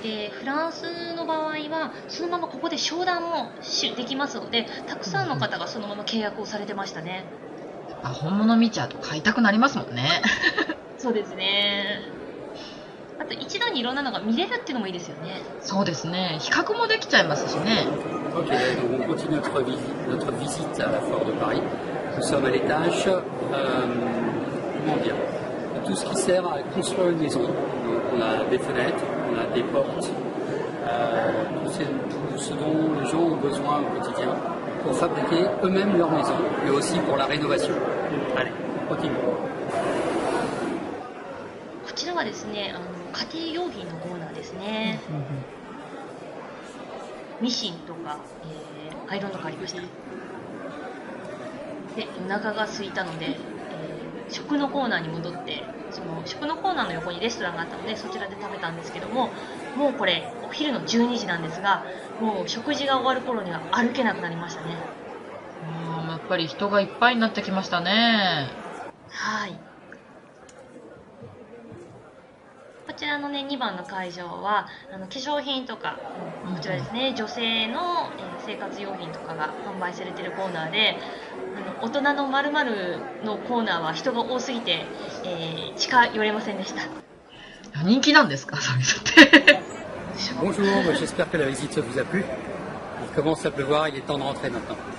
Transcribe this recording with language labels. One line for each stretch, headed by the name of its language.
Japanese: で、フランスの場合はそのままここで商談もできますので、たくさんの方がそのまま契約をされてましたね。やっぱ本物見ちゃうと買いたくなりますもんねそうですね。あと一度にいろんなのが見れるっていうのもいいですよね。そうですね。比較もできちゃいますしね。
French: OK, donc on continue notre visite à la foire de Paris. Nous sommes à l'étage, comment dire, de tout ce qui sert à construire une maison. Donc on a des fenêtres, on a des portes, tout ce dont les gens ont besoin au quotidien pour fabriquer eux-mêmes leur maison, mais aussi pour la rénovation. Allez, on continue.
Japanese: こちらはですね、家庭用品のコーナーですね。ミシンとか、アイロンとかありました。で、お腹が空いたので、食のコーナーに戻って、その食のコーナーの横にレストランがあったのでそちらで食べたんですけども、もうこれお昼の12時なんですが、もう食事が終わる頃には歩けなくなりましたね。やっぱり人がいっぱいになってきましたね。はい、こちらの、ね、2番の会場は化粧品とか、こちらですね、女性の、生活用品とかが販売されているコーナーで、大人の〇〇のコーナーは人が多すぎて、近寄れませんでした。人気なんですか、サミさんって。
French: Bonjour, j'espère que la visite vous a plu. Il commence à pleuvoir, il est temps de rentrer maintenant.